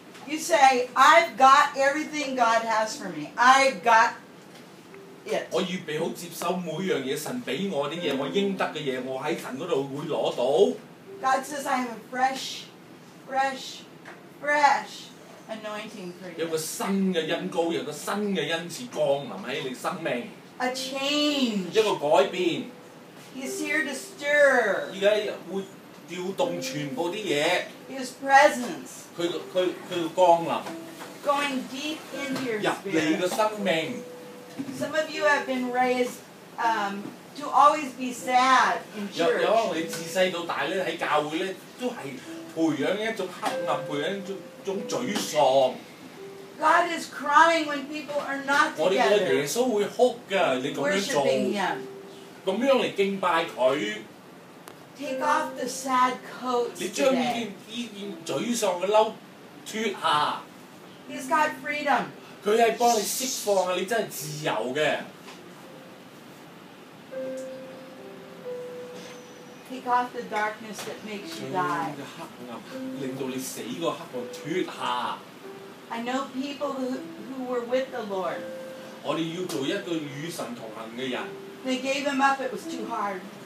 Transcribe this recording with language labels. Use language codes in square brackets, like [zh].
[en] You say, I've got everything God has for me. I've got it. [yue] 我預備好接收每樣嘢神俾我啲嘢，我應得嘅嘢，我喺神嗰度會攞到。 [en] God says, I have a fresh anointing for you. [yue] 有個新嘅恩膏，有個新嘅恩賜降臨喺你生命。 [en] A change. [yue] 一個改變。 [en] He's here to stir. [yue] 而家會。調動全部啲嘢。 [en] His presence. [yue] 佢降臨。 [en] Going deep into your spirit. [yue] 入你嘅生命。 [en] Some of you have been raised, to always be sad in church. [yue] 有你自細到大咧喺教會咧都係培養一種黑暗，培養一種沮喪。 [en] God is crying when people are not together. [yue] 我哋耶穌會哭嘅，你咁樣做。咁樣嚟敬拜佢。 [en] Take off the sad coat. [yue] 你將呢件沮喪嘅褸脱下。 [en] He's got freedom. [yue] 佢係幫你釋放啊！你真係自由嘅。 [en] Take off the darkness that makes you die. [yue] 黑暗令到你死個黑暗脱下。 [en] I know people who were with the Lord. [yue] 我哋要做一個與神同行嘅人。 [en] They gave him up, it was too hard.